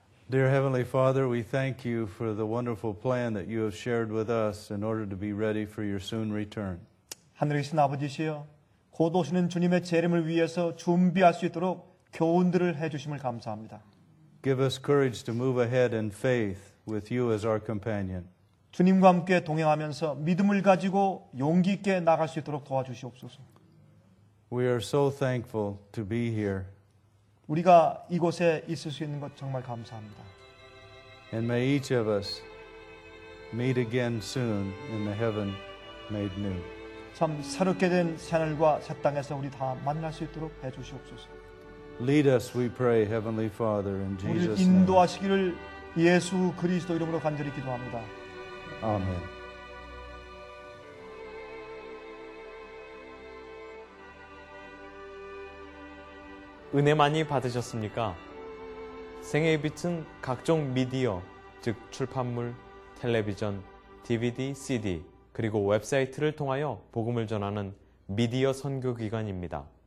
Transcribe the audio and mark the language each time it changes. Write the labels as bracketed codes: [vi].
[en] Dear Heavenly Father, we thank you for the wonderful plan that you have shared with us in order to be ready for your soon return. [ko] 하늘이신 아버지시여, 곧 오시는 주님의 재림을 위해서 준비할 수 있도록 교훈들을 해주심을 감사합니다. [en] Give us courage to move ahead in faith with you as our companion. [ko] 주님과 함께 동행하면서 믿음을 가지고 용기 있게 나갈 수 있도록 도와주시옵소서. [en] We are so thankful to be here. [ko] 우리가 이곳에 있을 수 있는 것 정말 감사합니다. [en] And may each of us meet again soon in the heaven made new. [ko] 참 새롭게 된 새하늘과 새 땅에서 우리 다 만날 수 있도록 해 주시옵소서. [en] Lead us, we pray, Heavenly Father, in Jesus' name. [ko] 우리 인도하시기를 예수 그리스도 이름으로 간절히 기도합니다. [en] Amen. [ko] "은혜 많이 받으셨습니까? 생애의 빛은 각종 미디어, 즉 출판물, 텔레비전, DVD, CD, 그리고 웹사이트를 통하여 복음을 전하는 미디어 선교기관입니다.